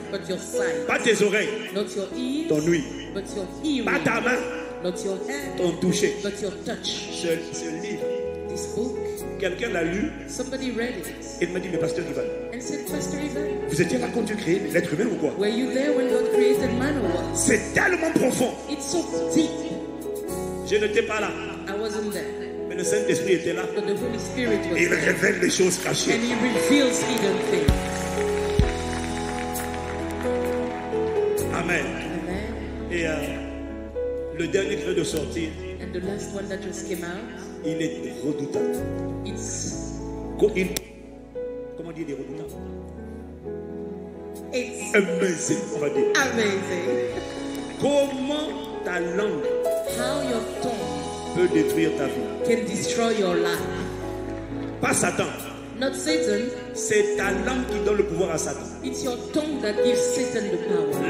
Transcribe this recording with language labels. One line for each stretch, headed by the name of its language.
English: But your sight.
French: Pas tes oreilles.
English: Not your ears.
French: Ton ouïe.
English: But your hearing.
French: Pas ta main.
English: Not your hand.
French: Ton toucher.
English: But your touch.
French: Ce livre.
English: This book.
French: Quelqu'un l'a lu.
English: Somebody read it.
French: Et m'a dit, mais Pasteur Ivan.
English: And said, Pastor Ivan.
French: Vous étiez là quand Dieu créait l'être humain ou quoi?
English: Were you there when God created man or what?
French: C'est tellement profond.
English: It's so deep.
French: Je n'étais pas là.
English: I wasn't there.
French: Mais le Saint-Esprit était là.
English: But the Holy Spirit was
French: il
English: there.
French: Révèle les choses cachées.
English: And he reveals hidden things. Amen. Amen.
French: Et le dernier qui vient de sortir.
English: And the last one that just came out.
French: Il est redoutable.
English: It's.
French: Comment dire des redoutables?
English: It's
French: amazing, on va dire.
English: Amazing.
French: Comment ta langue.
English: How your tongue.
French: Peut détruire ta vie.
English: Can destroy your life.
French: Pas Satan.
English: Not Satan.
French: C'est ta langue qui donne le pouvoir à Satan.
English: It's your tongue that gives Satan the power.